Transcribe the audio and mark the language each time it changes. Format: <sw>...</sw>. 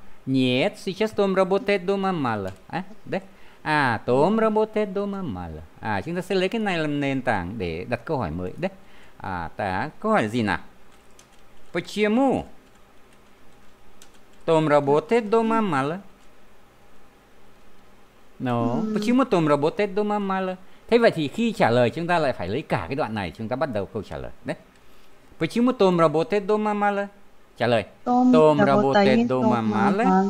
<ru>Нет, сейчас Том работает дома мало. А? Да? À, Tom работает дома мало.</ru> <vi>À, chúng ta sẽ lấy cái này làm nền tảng để đặt câu hỏi mới đấy. À, ta câu hỏi gì nào?</vi> <ru>Почему Tom работает дома мало?</ru> <en>No.</en> <ru>Почему Tom работает дома мало?</ru> <vi>Thế vậy thì khi trả lời chúng ta lại phải lấy cả cái đoạn này chúng ta bắt đầu câu trả lời đấy.</vi> <ru>Почему Tom работает дома мало?</ru> <vi>Trả lời.</vi> <ru>Tom работает дома мало.</ru>